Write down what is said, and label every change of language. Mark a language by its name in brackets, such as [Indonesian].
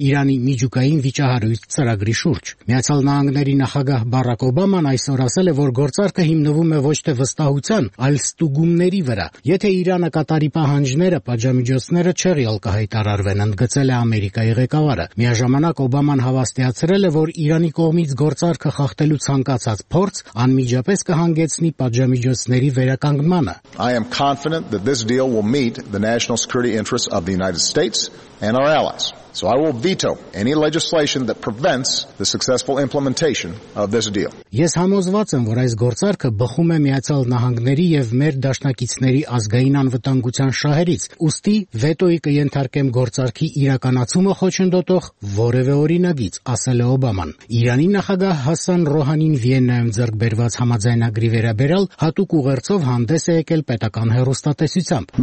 [Armenian] Իրանի միջուկային վիճահարույց ծրագրի շուրջ։ Միացյալ Նահանգների նախագահ Բարակ Օբաման այսօր ասել է, որ գործարքը հիմնվում է ոչ թե վստահության, այլ ստուգումների վրա։ Եթե Իրանը կատարի պահանջները, պատժամիջոցները չեղի ալկահայտարարվեն, ընդգծել է Ամերիկայի ղեկավարը։ Միաժամանակ Օբաման հավաստիացրել է, որ Իրանի կողմից գործարքը խախտելու ցանկացած փորձ անմիջապես կհանգեցնի պատժամիջոցների վերականգնմանը։ [English] I am confident that this deal will meet the national security interests of the United States and our allies. So I will veto any legislation that prevents the successful implementation of this deal. [Armenian] Ես համոզված եմ, որ այս գործարքը բխում է Միացյալ Նահանգների եւ մեր դաշնակիցների ազգային անվտանգության շահերից։ Ուստի վետոյի կենթարկեմ գործարքի իրականացումը խոչընդոտող որևէ օրինագից, ասել է Օբաման։ Իրանի նախագահ Հասան Ռոհանին Վիեննայում ձեռք բերված համաձայնագրի վերաբերյալ հատուկ ուղերձով հանդես է եկել պետական հեռուստատեսությամբ։